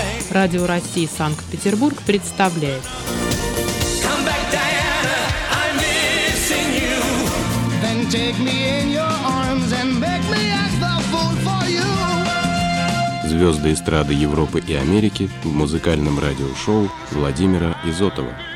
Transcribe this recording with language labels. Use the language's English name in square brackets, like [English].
[Russian] Радио России Санкт-Петербург представляет. [English] Come back, Diana, I'm missing you. Then take me in your arms and make me act the fool for you. [Russian] Звезды эстрады Европы и Америки в музыкальном радиошоу Владимира Изотова.